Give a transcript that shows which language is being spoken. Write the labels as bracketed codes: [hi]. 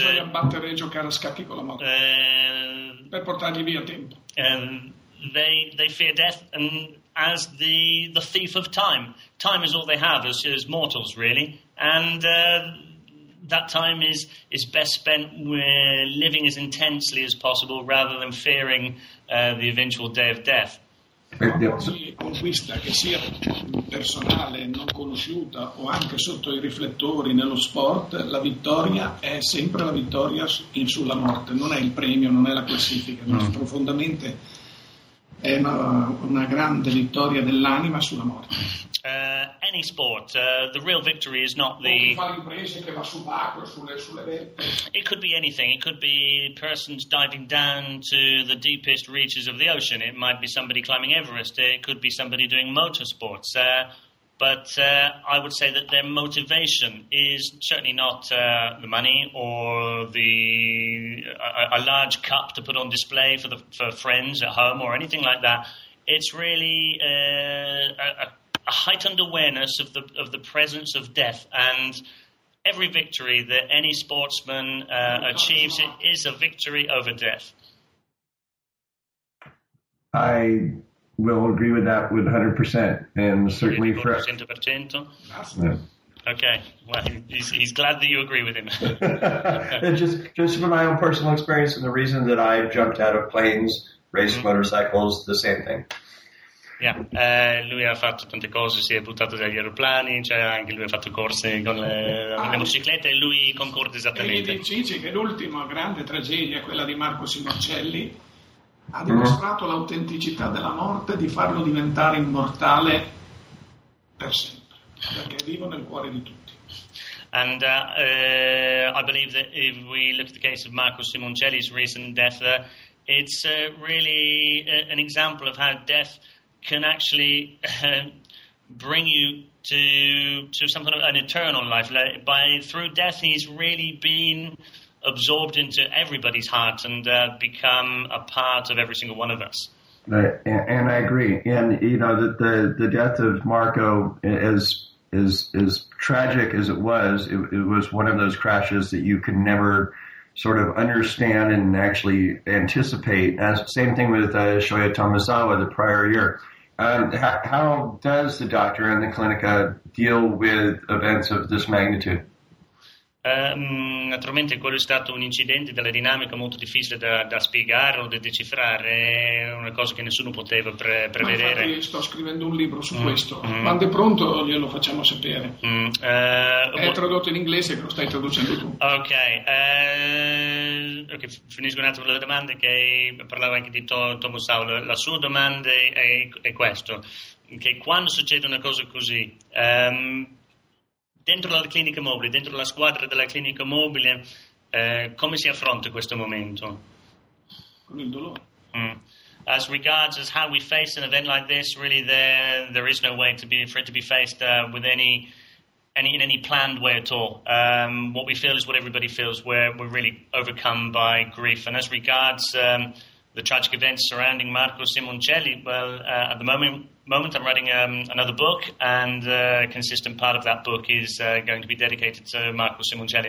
[it] abbattere e giocare a scacchi con la moto per portargli via tempo. [en] They fear death and as the thief of time. Time is all they have as mortals, really, and that time is best spent living as intensely as possible rather than fearing the eventual day of death. [it] Conquista che sia personale, non conosciuta o anche sotto i riflettori nello sport, la vittoria è sempre la vittoria sulla morte, non è il premio, non è la classifica, ma profondamente è una grande vittoria dell'anima sulla morte. [en] Any sport, the real victory is not the... It could be anything. It could be persons diving down to the deepest reaches of the ocean. It might be somebody climbing Everest. It could be somebody doing motorsports. But I would say that their motivation is certainly not the money or a large cup to put on display for friends at home or anything like that. It's really a heightened awareness of the presence of death, and every victory that any sportsman achieves, it is a victory over death. I will agree with that 100%, and certainly for 100%. Okay, well, he's glad that you agree with him. just from my own personal experience, and the reason that I jumped out of planes, raced motorcycles, the same thing. Yeah. [it] Lui ha fatto tante cose, si è buttato dagli aeroplani, cioè anche lui ha fatto corse con le motociclette e lui concorda esattamente. E dice che l'ultima grande tragedia, quella di Marco Simoncelli, ha dimostrato l'autenticità della morte, di farlo diventare immortale per sempre, perché è vivo nel cuore di tutti. [en] And I believe that if we look at the case of Marco Simoncelli's recent death, it's really an example of how death can actually bring you to something of an eternal life. Like through death, he's really been absorbed into everybody's heart and become a part of every single one of us. And I agree. And you know that the death of Marco, as tragic as it was, it was one of those crashes that you can never sort of understand and actually anticipate. As same thing with Shoya Tomasawa the prior year. How does the doctor and the clinica deal with events of this magnitude? [it] Naturalmente quello è stato un incidente della dinamica molto difficile da spiegare o da decifrare, è una cosa che nessuno poteva prevedere. Ma infatti sto scrivendo un libro su questo, quando è pronto glielo facciamo sapere. È tradotto in inglese, lo stai traducendo tu. Ok, finisco un attimo le domande, che parlavo anche di Tomo Saulo. La sua domanda è questo, che quando succede una cosa così, dentro la clinica mobile, dentro la squadra della clinica mobile, come si affronta questo momento? Con il dolore. [en] As regards as how we face an event like this, really there is no way for it to be faced with any planned way at all. What we feel is what everybody feels. We're really overcome by grief. And as regards the tragic events surrounding Marco Simoncelli, well, at the moment I'm writing another book, and a consistent part of that book is going to be dedicated to Marco Simoncelli.